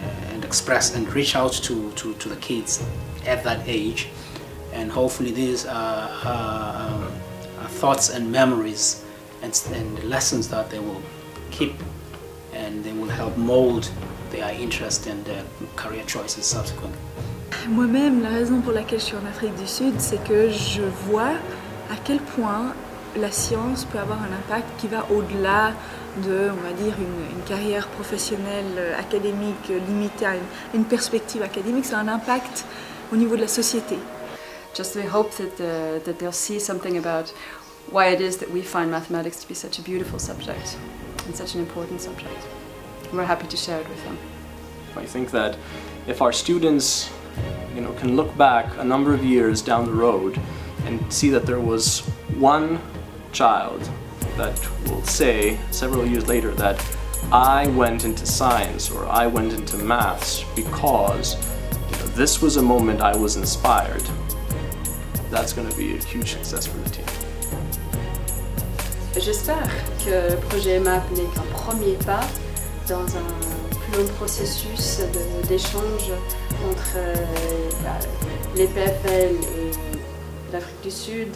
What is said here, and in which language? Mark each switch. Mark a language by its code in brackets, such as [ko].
[en] and express and reach out to the kids at that age, and hopefully these are thoughts and memories and lessons that they will keep, and they will help mold their interest and their career choices subsequently. [fr] Moi-même, la raison pour laquelle je suis en Afrique du Sud, c'est que je vois à quel point la science peut avoir un impact qui va au-delà de, on va dire, une carrière professionnelle académique limitée à une perspective académique. C'est un impact au niveau de la société. [en] Just we hope that that they'll see something about why it is that we find mathematics to be such a beautiful subject and such an important subject. We're happy to share it with them. I think that if our students, you know, can look back a number of years down the road and see that there was one child that will say several years later that I went into science or I went into maths because, you know, this was a moment I was inspired, that's going to be a huge success for the team. [fr] J'espère que le projet MAP n'est qu'un premier pas dans un plus long processus d'échange entre l'EPFL et l'Afrique du Sud.